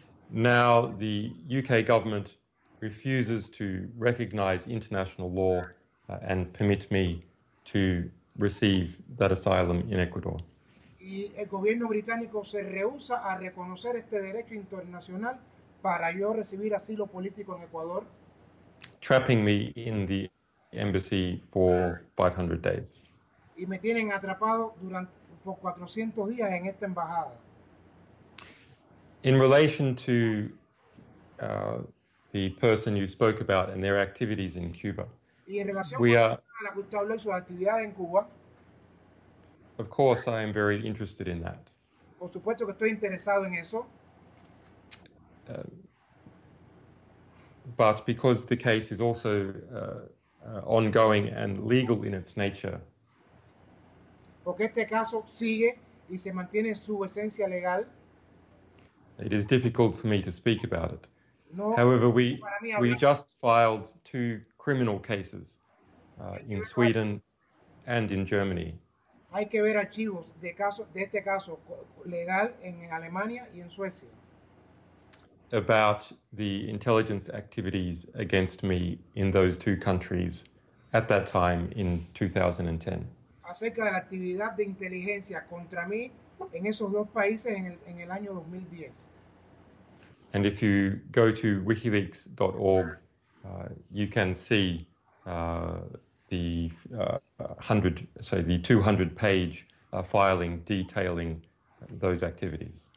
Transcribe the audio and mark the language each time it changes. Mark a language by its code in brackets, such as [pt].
[en] Now the UK government refuses to recognize international law and permit me to receive that asylum in Ecuador. [es] Y el gobierno británico se rehúsa a reconocer este derecho internacional para yo recibir asilo político en Ecuador. [en] Trapping me in the embassy for 500 days. [es] Y me tienen atrapado durante por 400 días en esta embajada. [en] In relation to the person you spoke about and their activities in Cuba. [es] Y en relación [en] we are, [es] a la que usted habló y sus actividades en Cuba. [en] Of course, I am very interested in that. [es] Por supuesto que estoy interesado en eso. [en] But because the case is also ongoing and legal in its nature. [es] Porque este caso sigue y se mantiene en su esencia legal. [en] It is difficult for me to speak about it. No, however, we just filed two criminal cases in Sweden and in Germany. [es] Hay que ver archivos de caso, de este caso legal en Alemania y en Suecia. [en] About the intelligence activities against me in those two countries at that time in 2010. [es] Acerca de la actividad de inteligencia contra mí en esos dos países en el año 2010. [en] And if you go to wikileaks.org, you can see the 200-page filing detailing those activities.